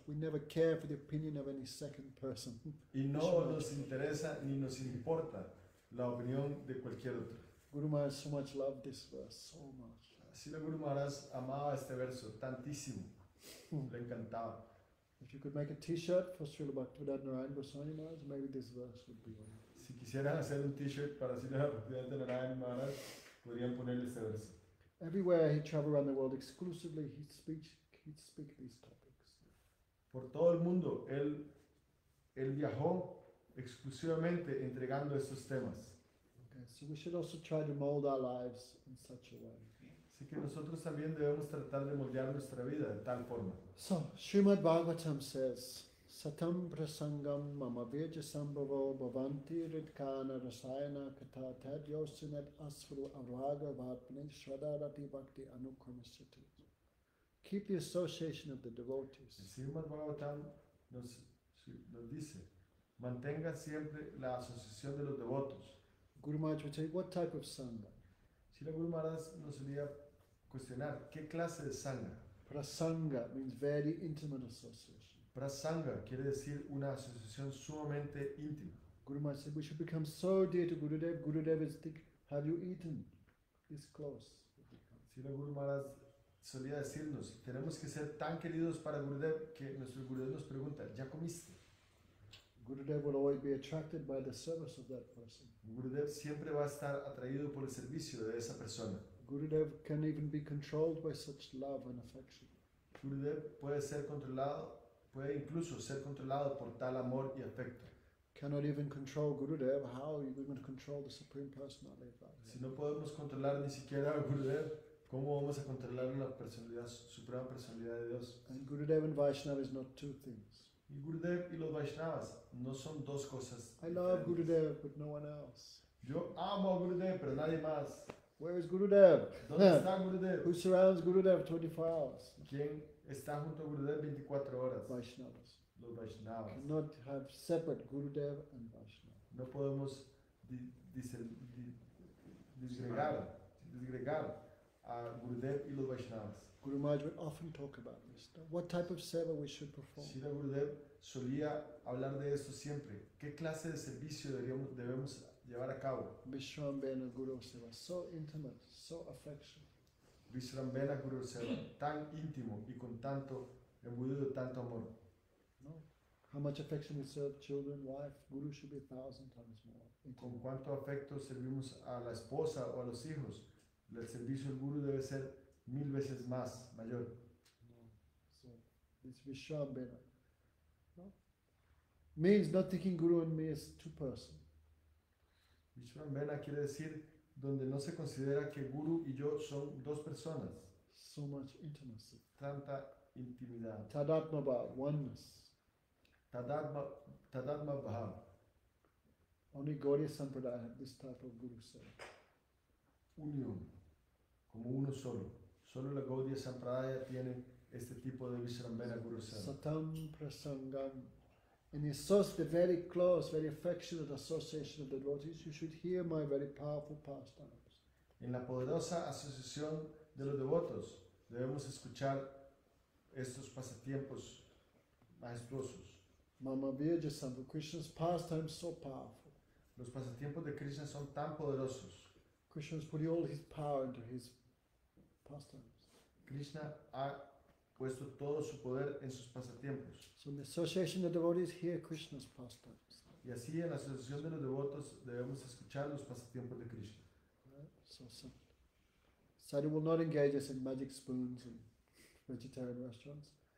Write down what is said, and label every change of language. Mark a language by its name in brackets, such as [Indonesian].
[English] We never care for the opinion of any second person. [Spanish] Y no nos interesa ni nos importa la opinión de cualquier otro. [English] Guru Maharaj so much loved this verse, so much. [Spanish] Srila Guru Maharaj amaba este verso tantísimo, le encantaba. [English] If you could make a t-shirt for Srila Bhaktivedanta Narayana Goswami Maharaj, maybe this verse would be on. [Spanish] Si quisieran hacer un t-shirt para Srila Bhaktivedanta Narayana Maharaj, podrían ponerle este verso. [English] Everywhere he traveled around the world exclusively, he'd speak these topics. [Spanish] Por todo el mundo, él viajó exclusivamente entregando estos temas. [English] Okay, so we should also try to mold our lives in such a way. [Spanish] Así que nosotros también debemos tratar de moldear nuestra vida de tal forma. [English] So, Srimad Bhagavatam says, [Sanskrit] Satam prasangam mama virja sambhavo bhavanti ritkana rasayana kata tad yosinet asvaru avraga vatpane shradarati bhakti anukramasati. [English] Keep the association of the devotees. [Spanish] Srimad Bhagavatam nos dice, mantenga siempre la asociación de los devotos. [English] Guru Maharaj would say, what type of sangha? [Spanish] Si la Guru Maharaj nos diría, cuestionar qué clase de sangha. [English] Prasanga means very intimate association. [Spanish] Prasanga quiere decir una asociación sumamente íntima. [English] Guru Maharaj said, we should become so dear to Gurudev. Gurudev is thick. Have you eaten this close? [Spanish] Srila Guru Maharaj solía decirnos, tenemos que ser tan queridos para Gurudev que nuestro Gurudev nos pregunta, ¿ya comiste? [English] Gurudev will always be attracted by the service of that person. [Spanish] Gurudev siempre va a estar atraído por el servicio de esa persona. [English] Gurudev can even be controlled by such love and affection. [Spanish] Gurudev puede ser controlado, puede incluso ser controlado por tal amor y afecto. [English] Cannot even control Gurudev, how are you going to control the Supreme Personality of Godhead? [Spanish] Si no podemos controlar ni siquiera a Gurudev, ¿cómo vamos a controlar la personalidad, suprema personalidad de Dios? [English] And Gurudev and Vaishnava is not two things. [Spanish] Y Gurudev y los Vaishnavas no son dos cosas. [English] I love Gurudev, but no one else. [Spanish] Yo amo a Gurudev, pero nadie más. [English] Where is Gurudev? [Spanish] ¿Dónde está Gurudev? [English] Who surrounds Gurudev 24 hours? [Spanish] ¿Quién está junto a Gurudev 24 horas? [English] Vaishnavas. [Spanish] Los Vaishnavas. [English] We cannot have separate Gurudev and Vaishnavas. [Spanish] No podemos disgregar a Gurudev y los Vaishnavas. [English] Guru Maharaj would often talk about this. What type of seva we should perform? [Spanish] Sri Gurudev solía hablar de esto siempre. ¿Qué clase de servicio debemos llevar a cabo? [Sanskrit] Vishram Bena Guru Seva, [English] so intimate, so affectionate. [Sanskrit] Vishram Bena Guru Seva, [Spanish] tan íntimo y con tanto embudido de tanto amor. [English] No. How much affection we serve children, wife, guru should be 1,000 times more. Intimate. [Spanish] ¿Con cuánto afecto servimos a la esposa o a los hijos? El servicio del guru debe ser 1,000 veces más, mayor. [English] No. So, it's Vishram Bena. No. Means not thinking guru and me as two persons. [Spanish] Vishram Bena quiere decir donde no se considera que Guru y yo son dos personas. [English] So much intimacy. [Spanish] Tanta intimidad. [English] Tadatma Bhav, oneness. [Sanskrit] Tadatma Bhav. [English] Only Gaudiya Sampradaya have this type of Guru Seva. [Spanish] Unión. Como uno solo. Solo la Gaudiya Sampradaya tiene este tipo de Vishram Bena Guru Seva. [Sanskrit] Satam Prasangam. [English] And associate the very close, very affectionate association of the devotees. You should hear my very powerful pastimes. [Spanish] En la poderosa asociación de los devotos, debemos escuchar estos pasatiempos majestuosos. [Sanskrit] Mama Virja Sambhu, [English] Krishna's pastimes so powerful. [Spanish] Los pasatiempos de Krishna son tan poderosos. [English] Krishna has put all his power into his pastimes. [Spanish] Krishna ha puesto todo su poder en sus pasatiempos. [English] So in the association of devotees, hear Krishna's pastimes. [Spanish] Y así en la asociación de los devotos debemos escuchar los pasatiempos de Krishna. [English] Sadhu will not engage us in magic spoons and vegetarian restaurants.